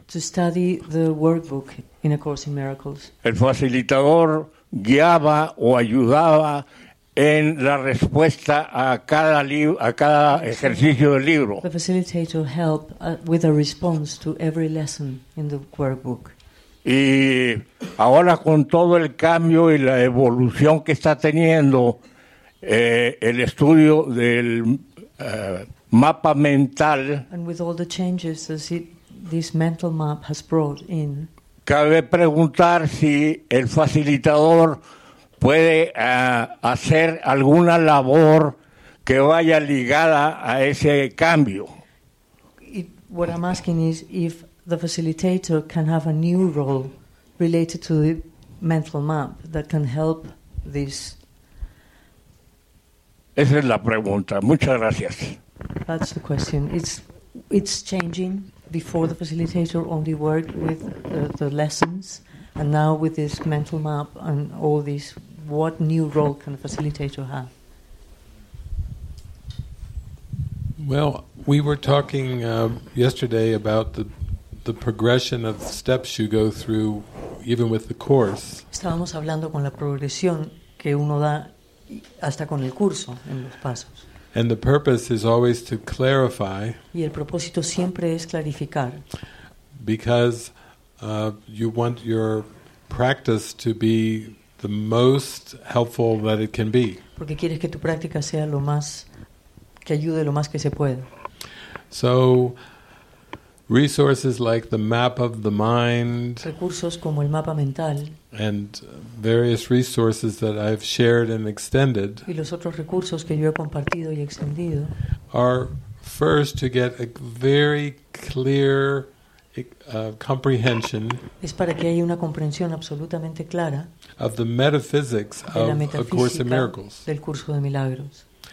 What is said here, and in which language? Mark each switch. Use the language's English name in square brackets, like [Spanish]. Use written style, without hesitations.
[English] To study the workbook in A Course in Miracles. [Spanish] El facilitador guiaba o ayudaba en la respuesta a cada ejercicio del libro. [English] The facilitator helped with a response to every lesson in the workbook. [Spanish] Y ahora con todo el cambio y la evolución que está teniendo el estudio del mapa mental. [English] And with all the changes that this mental map has brought in. [Spanish] Cabe preguntar si el facilitador puede hacer alguna labor que vaya ligada a ese cambio. [English] What I'm asking is if the facilitator can have a new role related to the mental map that can help this. [Spanish] Esa es la pregunta. Muchas gracias. [English] That's the question. It's changing. Before, the facilitator only worked with the lessons, and now with this mental map and all this, what new role can the facilitator have? Well, we were talking yesterday about the progression of steps you go through, even with the course. [Spanish] Estábamos hablando con la progresión que uno da hasta con el curso en los pasos. [English] And the purpose is always to clarify. [Spanish] Y el propósito siempre es clarificar. [English] Because you want your practice to be the most helpful that it can be. [Spanish] Porque quieres que tu práctica sea lo más que ayude lo más que se pueda. [English] So resources like the map of the mind. [Spanish] Recursos como el mapa mental. [English] And various resources that I've shared and extended. [Spanish] Y los otros recursos que yo he compartido y extendido. [English] Are first to get a very clear comprehension. [Spanish] Es para que haya una comprensión absolutamente clara. [English] Of the metaphysics of A Course in Miracles. [Spanish] Del curso de milagros.